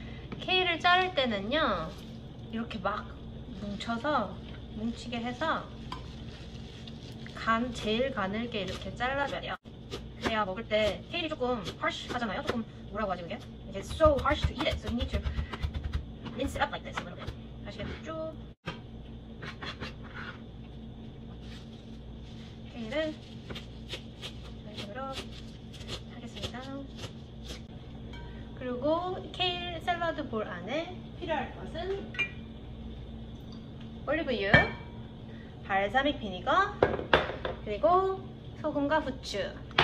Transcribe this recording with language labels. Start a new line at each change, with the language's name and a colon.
Korean: 크기를 자를 때는요 이렇게 막 뭉쳐서 뭉치게 해서 간 제일 가늘게 이렇게 잘라줘야 돼요. 그래야 먹을 때 케일이 조금 harsh 하잖아요. 조금 뭐라고 하지 그게?
English: It's so harsh to eat it. So you need to mince it up like this a little bit.
Korean: 아시겠죠? 케일을 이런 식으로 하겠습니다. 그리고 케일 샐러드 볼 안에 필요할 것은 올리브유, 발사믹 비니거, 그리고 소금과 후추.